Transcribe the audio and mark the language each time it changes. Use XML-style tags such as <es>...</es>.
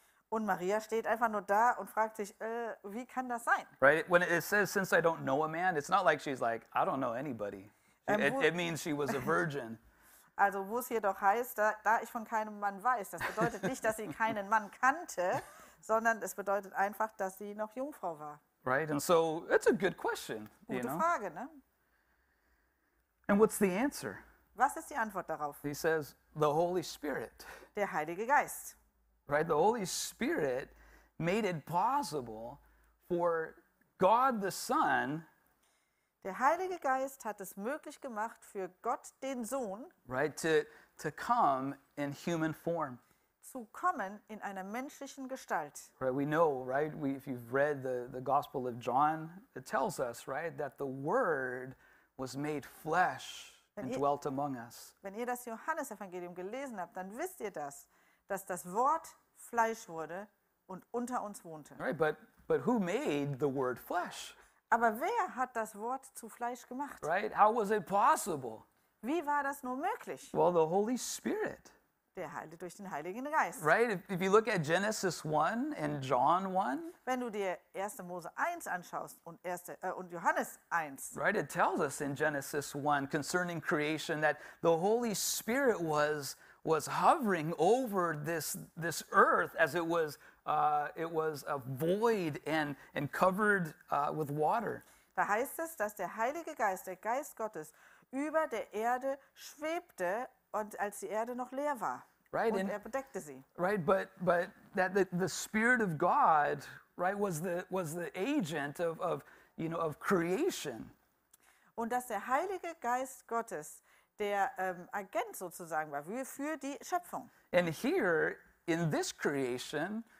<de>Und Maria steht einfach nur da und fragt sich, wie kann das sein?</de> <en>Right, when it says, since I don't know a man, it's not like she's like, I don't know anybody. It means she was a virgin.</en> <de>Also wo es hier doch heißt, da ich von keinem Mann weiß, das bedeutet nicht, dass sie keinen Mann kannte, sondern es bedeutet einfach, dass sie noch Jungfrau war.</de> <en>Right, and so it's a good question.</en> <de>Gute</de> <en>you know?</en> <de>Frage, ne?</de> <en>And what's the answer?</en> <de>Was ist die Antwort darauf?</de> <en>He says, the Holy Spirit.</en> <de>Der Heilige Geist.</de> <en>Right, the Holy Spirit made it possible for God the Son.</en> <de>Der Heilige Geist hat es möglich gemacht für Gott den Sohn.</de> <en>Right, to come in human form.</en> <de>zu kommen in einer menschlichen Gestalt.</de> <en>Right, we know, right? If you've read the Gospel of John, it tells us, right, that the Word was made flesh and dwelt among us.</en> <de>Wenn ihr das Johannesevangelium gelesen habt, dann wisst ihr das, dass das Wort Fleisch wurde und unter uns wohnte.</de> <en>Right, but who made the Word flesh?</en> <de>Aber wer hat das Wort zu Fleisch gemacht?</de> <en>Right, how was it possible?</en> <de>Wie war das nur möglich?</de> <en>Well, the Holy Spirit.</en> <de>Der Heilige durch den Heiligen Geist.</de> <en>Right, if you look at Genesis 1 and John 1.</en> <de>Wenn du dir 1. Mose 1 anschaust und Johannes 1.</de> <en>Right, it tells us in Genesis 1 concerning creation that the Holy Spirit was hovering over this earth as it was a void and covered with water.</en> <de>Da heißt es, dass der Heilige Geist, der Geist Gottes, über der Erde schwebte und als die Erde noch leer war.</de> <en>Right,</en> <de>und er bedeckte sie.</de> <en>Right, but that the Spirit of God, right, was the agent of you know, of creation.</en> <de>Und dass der Heilige Geist Gottes der Agent sozusagen war für die Schöpfung.</de> <en>And here in this creation,</en>